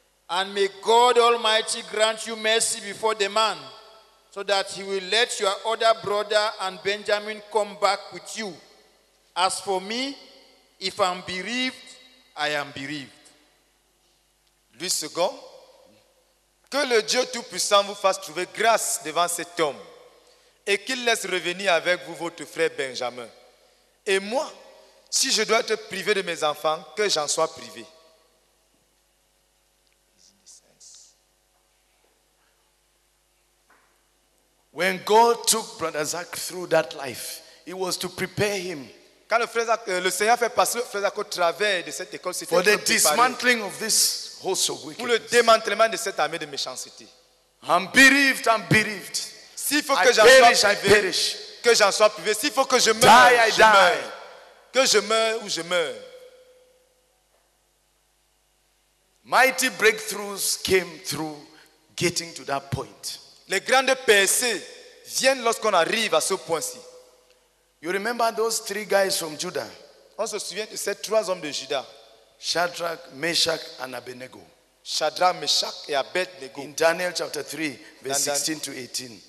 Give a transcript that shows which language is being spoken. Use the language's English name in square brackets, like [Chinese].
[English] And may God Almighty grant you mercy before the man, so that he will let your other brother and Benjamin come back with you. As for me, if I'm bereaved, I am bereaved. [French] Lui second, que le Dieu Tout-Puissant vous fasse trouver grâce devant cet homme, et qu'il laisse revenir avec vous votre frère Benjamin. Et moi, si je dois être privé de mes enfants, que j'en sois privé. [English] When God took Brother Zach through that life, it was to prepare him. [French] Quand le frère Zach, le Seigneur fait passer le frère Zach au travers de cette école, c'était [English] for the dismantling of this host of wickedness. [French] Pour le démantèlement de cette armée de méchanceté. [English] I'm bereaved. [French] S'il faut que j'en sois privé, que j'en sois privé. S'il faut que je meure, je meurs. Que je meure ou je meurs. [English] Mighty breakthroughs came through getting to that point. [French] Les grandes percées viennent lorsqu'on arrive à ce point-ci. [English] You remember those three guys from Judah? [French] On se souvient de ces trois hommes de Juda. [English] Shadrach, Meshach and Abednego. [French] Shadrach, Meshach et Abednego. [English] In Daniel chapter 3, verse 16 to 18.